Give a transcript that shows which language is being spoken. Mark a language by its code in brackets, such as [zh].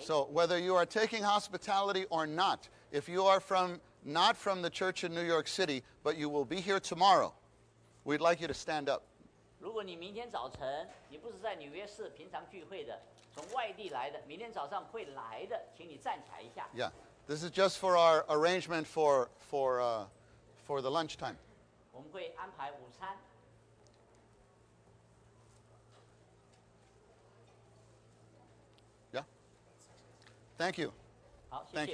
[en] So whether you are taking hospitality or not, if you are from... Not from the church in New York City, but you will be here tomorrow. We'd like you to stand up. [zh] 如果你明天早晨你不是在纽约市平常聚会的，从外地来的，明天早上会来的，请你站起来一下。 [en] Yeah, this is just for our arrangement for the lunchtime. [zh] 我们会安排午餐。 [en] Yeah. Thank you. [zh] 好，谢谢。